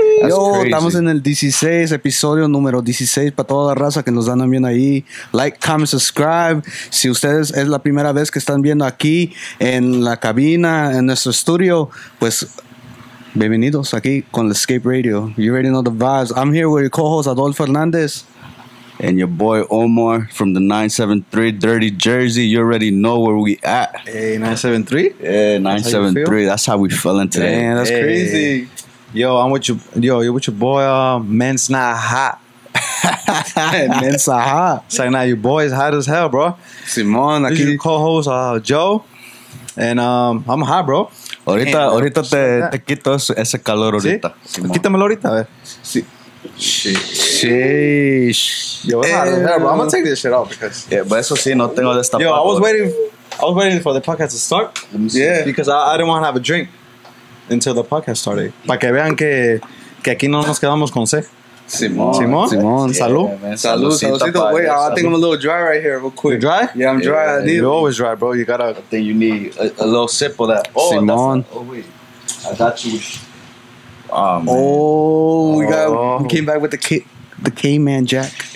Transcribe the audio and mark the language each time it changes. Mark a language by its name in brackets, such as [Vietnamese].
[Spanish] Yo, estamos en el 16, episodio número 16, para toda la raza que nos dan también ahí. [English] Like, comment, subscribe. [Spanish] Si ustedes es la primera vez que están viendo aquí en la cabina, en nuestro estudio, pues bienvenidos aquí con el Escape Radio. [English] You already know the vibes. I'm here with your co-host Adolfo Hernandez. And your boy Omar from the 973 Dirty Jersey. You already know where we at. Hey, 973? Yeah, 973. That's how we feeling today. Man, that's crazy. Yo, I'm with you. Yo, you're with your boy, Men's Not Hot. Men's Not Hot. It's like, now your boy is hot as hell, bro. [Spanish] Simon, [English] aquí. Your co-host, Joe. And I'm hot, bro. [Spanish] Ahorita, man, ahorita bro, te quito ese calor ahorita. ¿Sí? Quítamelo ahorita, a ver. Sí. Sheesh. [English] Yo, bro, I'm gonna take this shit off because. Yeah, but [Spanish] eso sí, no tengo de esta. [English] Yo, I was waiting for the podcast to start. Yeah. Because I didn't want to have a drink until the podcast started. [Spanish] Para que vean que aquí no nos quedamos con C. Simón, [English] yeah, salud. [Spanish] Saludito. [English] Wait, salud. I think I'm a little dry right here, real quick. You're dry? Yeah, I'm dry. Yeah, you're always dry, bro. You gotta. I think you need a little sip of that. Oh, Simón. Oh, wait. I thought you. Oh, man. Oh, we came back with the K-Man Jack.